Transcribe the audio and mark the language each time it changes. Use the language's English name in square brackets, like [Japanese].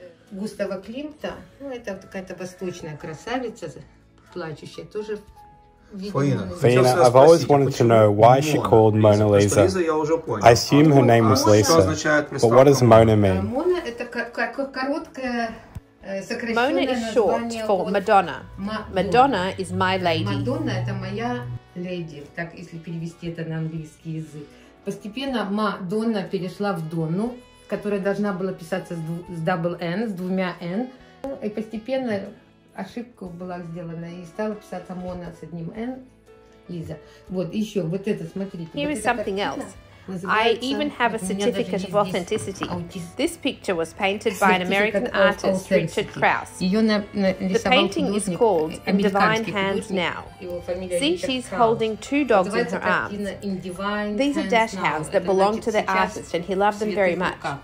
[Russian] Густава Климта, ну это какая-то восточная красавица, плачущая, тоже. [English] Фаина, I've always wanted to know why she called Mona Lisa. I assume her name was Lisa, but what does Mona mean? [Russian] Mona это короткое. [English] Mona is short for Madonna. Madonna is my lady. [Russian] Madonna это моя леди, так если перевести это на английский язык. Постепенно Madonna перешла в Donna. Которая должна была писаться с дабл N, с двумя N. И постепенно ошибка была сделана, и стала писаться Мона с одним N, Лиза. Вот, еще, вот это, смотрите. [English] Here [Russian] вот [English] is something else. I even have a certificate of authenticity. This picture was painted by an American artist, Richard Krauss. The painting is called In Divine Hands Now. See, she's holding two dogs in her arms. These are dash hounds that belong to the artist, and he loved them very much.